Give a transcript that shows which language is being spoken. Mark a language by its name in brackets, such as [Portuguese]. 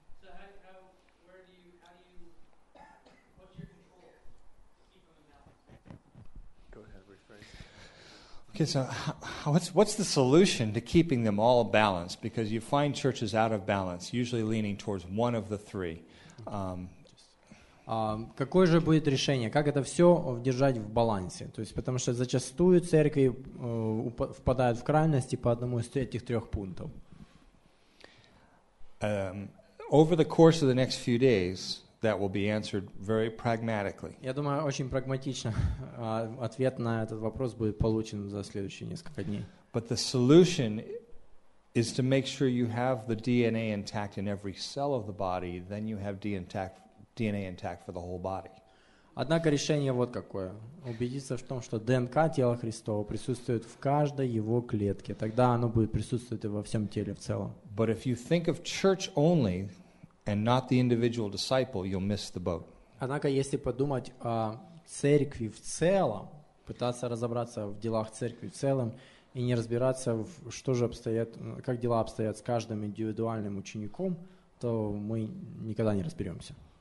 [English] So how do you what's your control to keep them in balance? Go ahead, rephrase. Okay, so what's the solution to keeping them all balanced? Because you find churches out of balance, usually leaning towards one of the three. [Russian] Какое же будет решение? Как это все держать в балансе? То есть, потому что зачастую церкви впадают в крайности по одному из этих трех пунктов. [English] Over the course of the next few days, that will be answered very pragmatically. [Russian] Я думаю, очень прагматично ответ на этот вопрос будет получен за следующие несколько дней. [English] But the solution is to make sure you have the DNA intact in every cell of the body, then you have DNA intact for the whole body. [Russian] Однако решение вот какое. Убедиться в том, что ДНК тела Христова присутствует в каждой его клетке. Тогда оно будет присутствовать и во всем теле в целом. [English] But if you think of church only and not the individual disciple, you'll miss the boat. [Russian] Однако если подумать о церкви в целом, пытаться разобраться в делах церкви в целом и не разбираться, как дела обстоят с каждым индивидуальным учеником, то мы никогда не разберемся.